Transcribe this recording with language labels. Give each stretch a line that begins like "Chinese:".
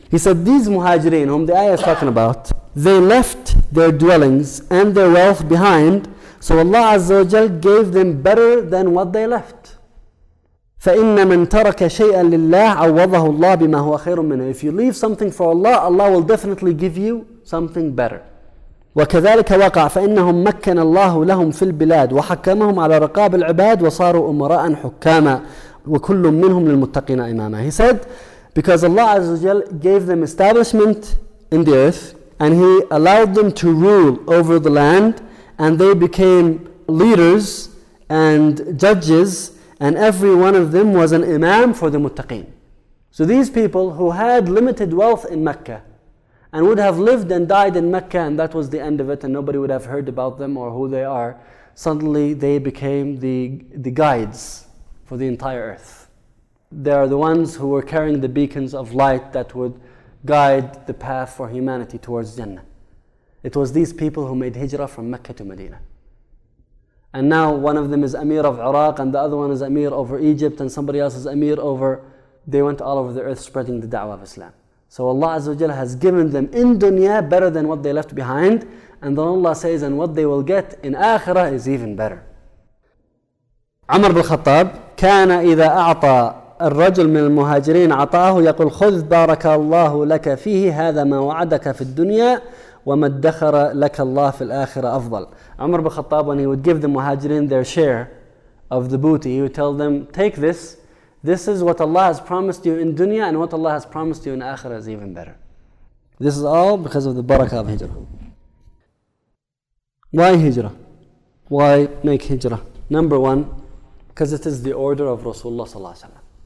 English: He said, these muhajirin, whom the ayah is talking about, they left their dwellings and their wealth behind, so Allah Azza wa Jal gave them better than what they left.
Arabic: فَإِنَّ مَنْ تَرَكَ شَيْئًا لِلَّهِ عَوَضَهُ اللَّهُ بِمَا هُوَ خَيْرٌ مِنْهُ.
English: If you leave something for Allah, Allah will definitely give you something better.
Arabic: وكذلك وقع فإنهم مكن الله لهم في البلاد وحكمهم على رقاب العباد وصاروا أمراء حكاما وكل منهم للمتقين إماما.
English: He said, because Allah Azza wa Jal gave them establishment in the earth and He allowed them to rule over the land and they became leaders and judges and every one of them was an imam for the muttaqin. So these people who had limited wealth in Mecca and would have lived and died in Mecca, and that was the end of it, and nobody would have heard about them or who they are, suddenly they became the guides for the entire earth. They are the ones who were carrying the beacons of light that would guide the path for humanity towards Jannah. It was these people who made hijrah from Mecca to Medina. And now one of them is Amir of Iraq, and the other one is Amir over Egypt, and somebody else is Amir over... They went all over the earth spreading the da'wah of Islam. So Allah Azza wa Jalla has given them in dunya better than what they left behind. And then Allah says, and what they will get in akhirah is even better.
Arabic: Umar ibn al-Khattab, كان إذا أعطى الرجل من المهاجرين عطاه يقول خذ بارك الله لك فيه هذا ما وعدك في الدنيا وما ادخر لك الله في الآخرة أفضل.
English: Umar ibn Khattab, when he would give the muhajirin their share of the booty, he would tell them, take this. This is what Allah has promised you in dunya, and what Allah has promised you in akhirah is even better. This is all because of the barakah of hijrah. Why hijrah? Why make hijrah? Number one, because it is the order of Rasulullah sallallahu alaihi wasallam.